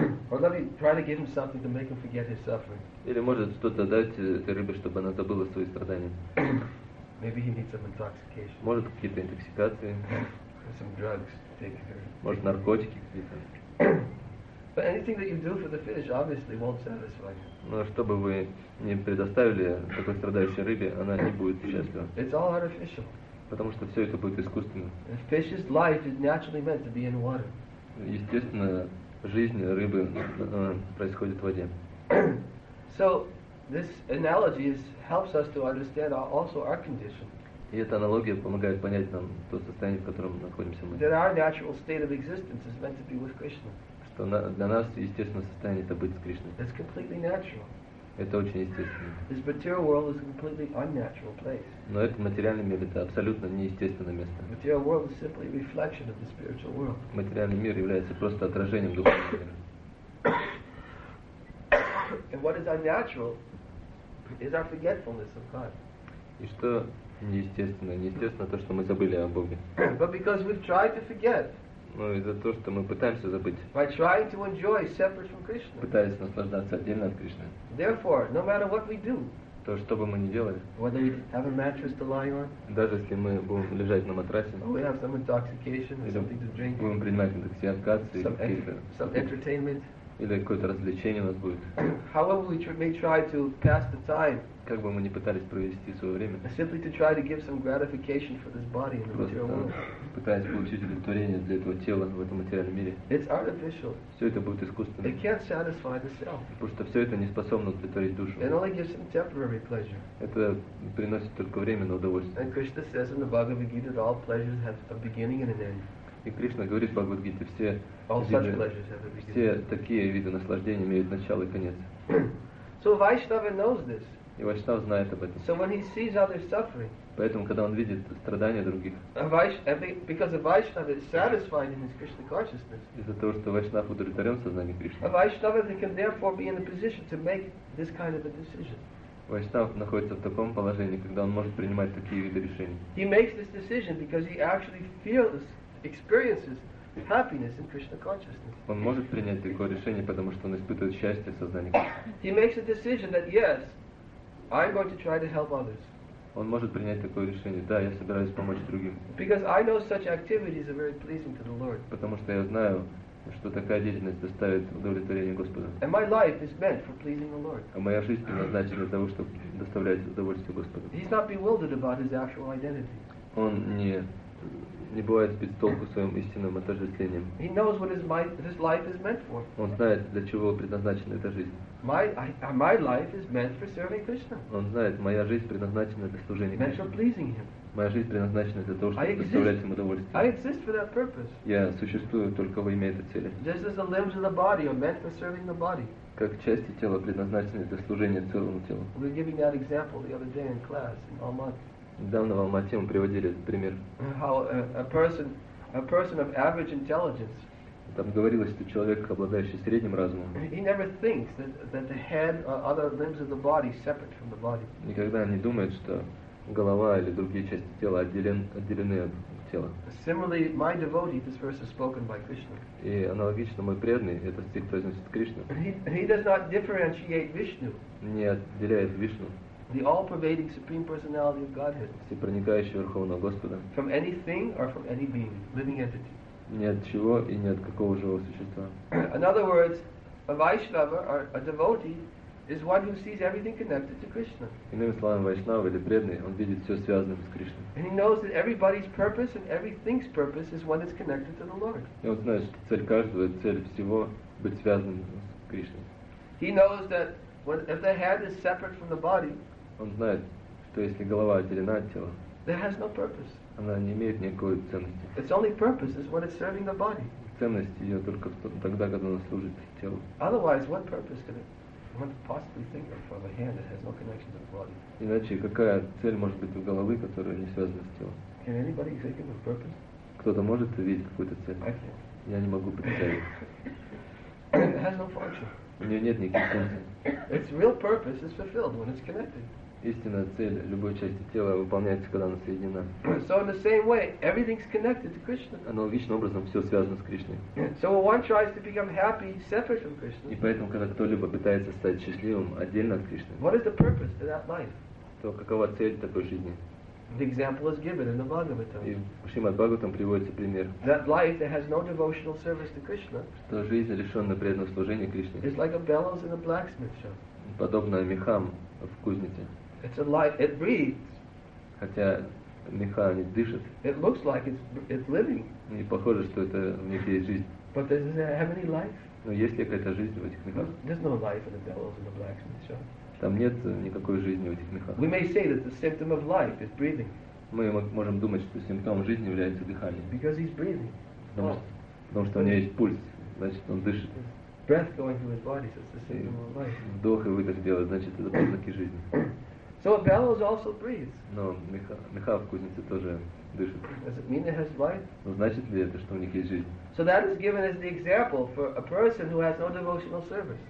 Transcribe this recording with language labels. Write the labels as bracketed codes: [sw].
[en] Or let me try to give him something to make him forget his suffering. [ru] Или может что-то дать этой рыбе, чтобы она забыла свои страдания. [en] Maybe he needs some intoxication. [ru] Может какие-то интоксикации. [en] Some drugs take her. [ru] Может наркотики какие-то. [en] But anything that you do for the fish obviously won't satisfy him. [ru] Но чтобы вы не предоставили такой страдающей рыбе, она не будет счастлива. [en] It's all artificial. [ru] Потому что все это будет искусственно. [en] A fish's life is naturally meant to be in water. [ru] Естественно, жизнь рыбы происходит в воде. [en] So this analogy helps us to understand also our condition. [ru] И эта аналогия помогает понять нам то состояние, в котором находимся мы. [en] That our natural state of existence is meant to be with Krishna. [ru] Что для нас естественное состояние это быть с Кришной. [en] It's completely natural. [ru] Это очень естественно. [en] This material world is a completely unnatural place. [ru] Но этот материальный мир это абсолютно неестественное место. [en] Material world is simply a reflection of the spiritual world. [ru] Материальный мир является просто отражением духовного мира. [en] And what is unnatural is our forgetfulness of God. [ru] И что Неестественно то, что мы забыли о Боге. [en] But because we've tried to forget. [ru] Ну, из-за того, что мы пытаемся забыть. [en] By trying to enjoy separate from Krishna. [ru] Пытаясь наслаждаться отдельно от Кришны. [en] Therefore, no matter what we do. [ru] То, что бы мы ни делали. [en] Whether we have a mattress to lie on. [ru] Даже если мы будем лежать на матрасе. [en] Or we have some intoxication or something to drink. [ru] Будем принимать интоксикации. [en] Some entertainment. [ru] Или какое-то развлечение у нас будет. [en] However we may try to pass the time. [ru] Как бы мы ни пытались провести свое время. [en] Simply to try to give some gratification for this body in the material world. [ru] Пытаясь получить удовлетворение для этого тела в этом материальном мире. [en] It's artificial. [ru] Все это будет искусственным. [en] It can't satisfy the self. [ru] Потому что все это не способно удовлетворить душу. [en] It only gives some temporary pleasure. [ru] Это приносит только временное удовольствие. [en] And Krishna says in the Bhagavad Gita that all pleasures have a beginning and an end. [ru] И Кришна говорит в Бхагавад-гите, все такие виды наслаждения имеют начало и конец. [en] So Vaishnava knows this. [ru] И Вайшнава знает об этом. [en] So when he sees other suffering, [ru] поэтому, когда он видит страдания других, [en] because Vaishnava is satisfied in his Krishna consciousness, [ru] из-за того, что Вайшнава удовлетворен в сознании Кришны, [en] Vaishnava can therefore be in a position to make this kind of a decision. [ru] Вайшнав находится в таком положении, когда он может принимать такие виды решений. [en] He makes this decision because he actually feels, experiences happiness in Krishna consciousness. [ru] Он может принять такое решение, потому что он испытывает счастье в сознании Кришны. [en] He makes a decision that yes, I'm going to try to help others. [ru] Он может принять такое решение. Да, я собираюсь помочь другим. [en] Because I know such activities are very pleasing to the Lord. [ru] Потому что я знаю, что такая деятельность доставит удовлетворение Господу. [en] And my life is meant for pleasing the Lord. [ru] А моя жизнь предназначена для того, чтобы доставлять удовольствие Господу. [en] He's not bewildered about his actual identity. [ru] Он не бывает сбит с толку своим истинным отождествлением. [en] He knows what his life is meant for. [ru] Он знает, для чего предназначена эта жизнь. [en] My life is meant for serving Krishna. [ru] Он знает, моя жизнь предназначена для служения [en] Кришне. Meant for pleasing him. [ru] Моя жизнь предназначена для того, чтобы доставлять ему удовольствие. [en] I exist for that purpose. [ru] Я существую только во имя этой цели. [en] Just as the limbs of the body are meant for serving the body. [ru] Как части тела предназначены для служения целому телу. [en] We were giving that example the other day in class in Almaty. [ru] Недавно в Алмате мы приводили этот пример. [en] How a person of average intelligence. [ru] Там говорилось, что человек, обладающий средним разумом, [en] he never thinks that the head or other limbs of the body separate from the body. [ru] Никогда не думает, что голова или другие части тела отделены от тела. [en] Similarly, my devotee, this verse is spoken by Krishna. [ru] И аналогично, мой преданный, этот стих произносит Кришна. [en] He does not differentiate Vishnu. [ru] Не отделяет Вишну. [en] The all-pervading supreme personality of Godhead. [ru] Всепроникающий верховного Господа. [en] From anything or from any being, living entity. [ru] Ни от чего и ни от какого живого существа. [en] In other words, a Vaishnava or a devotee is one who sees everything connected to Krishna. [ru] Иными словами, Вайшнава или преданный, он видит все связанным с Кришной. [en] And he knows that everybody's purpose and everything's purpose is one that's connected to the Lord. [ru] И он знает, что цель каждого, цель всего быть связанным с Кришной. [en] He knows that if the head is separate from the body, [ru] он знает, что если голова отделена от тела, [en] there has no purpose. [ru] Она не имеет никакой ценности. [en] Its only purpose is when it's serving the body. [ru] Ценность ее только тогда, когда она служит телу. [en] Otherwise, what purpose could one possibly think of for a hand that has no connection to the body? [ru] Иначе какая цель может быть у головы, которая не связана с телом? [en] Can anybody think of a purpose? [ru] Кто-то может видеть какую-то цель? [en] I can't. [ru] Я не могу представить. [en] It has no function. [ru] У нее нет никаких функций. [en] Its real purpose is fulfilled when it's connected. [ru] Истинная цель любой части тела выполняется, когда она соединена. [en] So in the same way, everything's connected to Krishna. [ru] Аналогичным образом все связано с Кришной. [en] So when one tries to become happy separate from Krishna. [ru] И поэтому, когда кто-либо пытается стать счастливым отдельно от Кришны. [en] What is the purpose of that life? [ru] То какова цель такой жизни? [en] The example is given in the Bhagavatam. [ru] И в Шримад-Бхагаватам приводится пример. [en] That life that has no devotional service to Krishna. [ru] Что жизнь, лишенная преданного служения Кришне. [en] Is like a bellows in a blacksmith shop. [ru] Подобно мехам в кузнице. [en] It's a life. It breathes. [ru] Хотя меха не дышит. [en] It looks like it's living. [ru] И похоже, что это в них есть жизнь. [en] But does it have any life? [ru] Но есть ли какая-то жизнь в этих мехах? [en] There's no life in the bellows in the blacksmith shop. [ru] Там нет никакой жизни в этих мехах. [en] We may say that the symptom of life is breathing. [ru] Мы можем думать, что симптом жизни является дыхание. [en] Because he's breathing. [ru] Потому что у него есть пульс, значит он дышит. [en] Breath going through his body, so it's the symptom of life. [ru] Вдох и выдох делает, значит это признаки жизни. [en] So a bellows also breathes. [ru] Но меха в кузнице тоже дышит. [en] Does it mean it has life? [ru] Ну, значит ли это, что у них есть жизнь? [en] So that is given as the example for a person who has no devotional service.